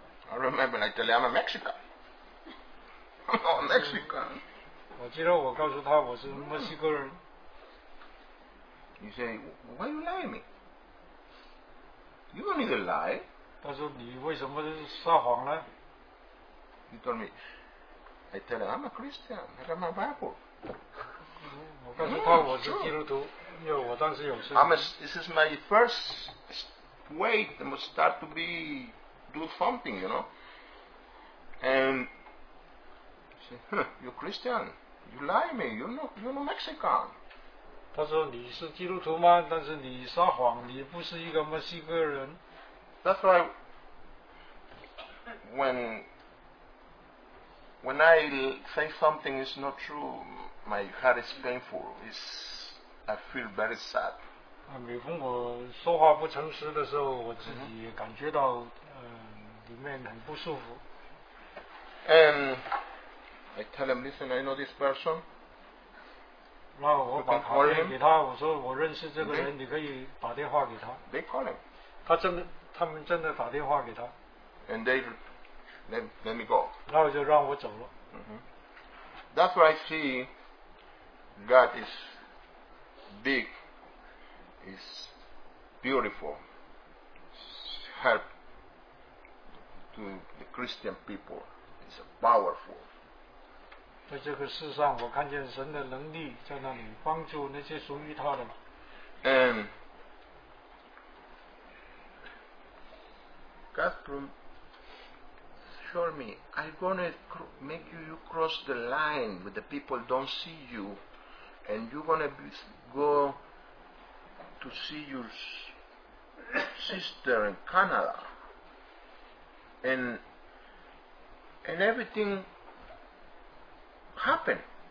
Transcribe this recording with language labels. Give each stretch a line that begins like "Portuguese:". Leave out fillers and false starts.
English: I remember, I tell you, I'm a Mexican. Oh, Mexican.
Chinese: 我记得我告诉他我是墨西哥人。
English: He said, why you lie me? You don't need to lie.
Chinese: 他说你为什么撒谎呢？
English: He told me, I tell him, I'm a Christian, I got my Bible.
Chinese: 我告诉他我是基督徒，因为我当时有事。
English: This is my first way to start to be, do something, you know. And,You're Christian. You lie to me. You're not Mexican.
Chinese: 他说你是基督徒吗？但是你撒谎，你不是一个墨西哥人。
English: That's why when I say something is not true, my heart is painful. I feel very sad.
Chinese: 每逢我说话不诚实的时候，我自己感觉到里面很不舒服。
English: And I tell him, listen, I know this person.
Chinese: 那我把电话给他，我说我认识这个人，你可以打电话给他。
English: They call him.
Chinese: 他们真的打电话给他。
English: And they let me go.
Chinese: 那我就让我走了。
English: That's why I see God is big, is beautiful, help to the Christian people, is powerful.
Chinese: 在这个世上，我看见神的能力在那里帮助那些属于他的。
English: And God showed me, I'm gonna make you cross the line with the people don't see you, and you're gonna go to see your sister in Canada, and everything happened.